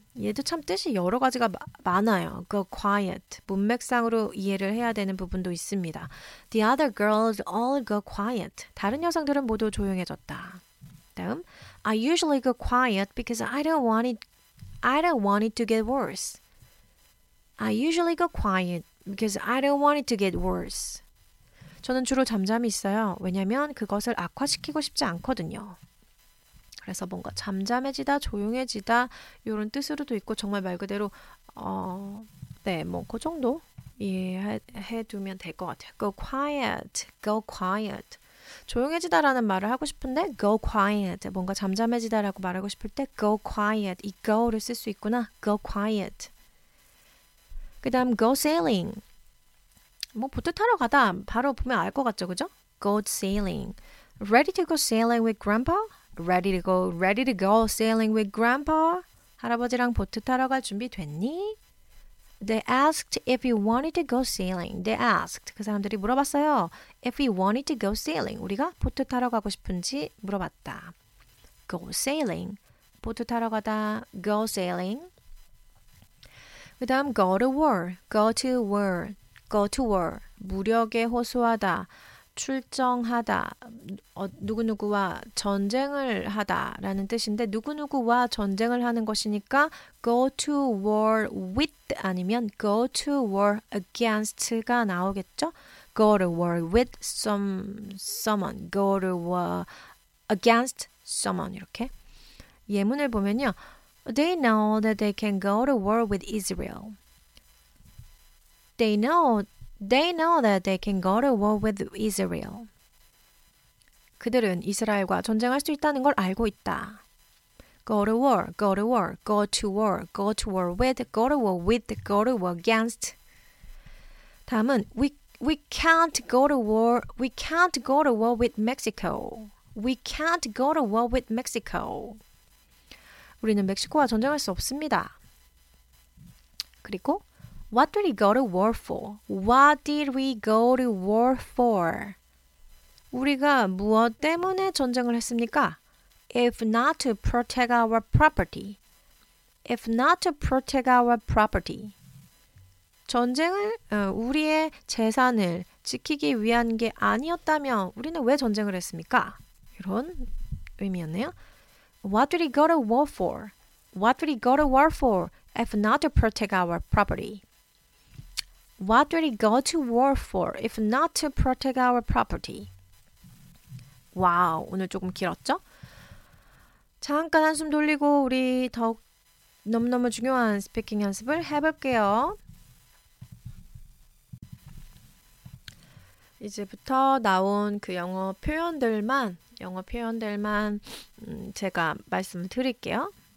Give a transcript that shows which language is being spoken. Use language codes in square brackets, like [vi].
[ko] 얘도 참 뜻이 여러 가지가 많아요. [en] Go quiet. [ko] 문맥상으로 이해를 해야 되는 부분도 있습니다. [en] The other girls all go quiet. [ko] 다른 여성들은 모두 조용해졌다. 다음. [en] I usually go quiet because I don't want it to get worse. I usually go quiet because I don't want it to get worse. [ko] 저는 주로 잠잠히 있어요. 왜냐면 그것을 악화시키고 싶지 않거든요. 그래서 뭔가 잠잠해지다, 조용해지다 이런 뜻으로도 있고 정말 말 그대로 그 정도 이해해두면 될 것 같아요. [en] Go quiet. [ko] 조용해지다라는 말을 하고 싶은데 go quiet. 뭔가 잠잠해지다라고 말하고 싶을 때 go quiet. 이 go를 쓸 수 있구나. Go quiet. 그 다음 go sailing. 뭐 보트 타러 가다 바로 보면 알 것 같죠. 그죠? [en] Go sailing. Ready to go sailing with grandpa? Ready to go sailing with grandpa? [ko] 할아버지랑 보트 타러 갈 준비 됐니? [en] They asked if you wanted to go sailing. They asked. [ko] 그 사람들이 물어봤어요. [en] If you wanted to go sailing. [ko] 우리가 보트 타러 가고 싶은지 물어봤다. [en] Go sailing. [ko] 보트 타러 가다. [en] Go sailing. [ko] 그 다음 [en] go to war. Go to war. Go to war. [ko] 무력에 호소하다. 출정하다, 누구누구와 전쟁을 하다라는 뜻인데 누구누구와 전쟁을 하는 것이니까 go to war with 아니면 go to war against가 나오겠죠? [en] Go to war with someone, go to war against someone [ko] 이렇게 예문을 보면요. [en] They know that they can go to war with Israel. They know that they can go to war with Israel. [ko] 그들은 이스라엘과 전쟁할 수 있다는 걸 알고 있다. [en] Go to war, go to war, go to war, go to war with, go to war with, go to war against. [ko] 다음은 [en] we can't go to war with Mexico. We can't go to war with Mexico. [ko] 우리는 멕시코와 전쟁할 수 없습니다. [en] 그리고 What did we go to war for? What did we go to war for? [ko] 우리가 무엇 때문에 전쟁을 했습니까? [en] If not to protect our property. If not to protect our property. [ko] 전쟁을 우리의 재산을 지키기 위한 게 아니었다면 우리는 왜 전쟁을 했습니까? 이런 의미였네요. [en] What did we go to war for? What did we go to war for? If not to protect our property. What did he go to war for if not to protect our property? [ko] 와우, 오늘 조금 길었죠? 잠깐 한숨 돌리고 우리 더욱 너무너무 중요한 스피킹 연습을 해볼게요. 이제부터 나온 그 영어 표현들만 제가 말씀을 드릴게요.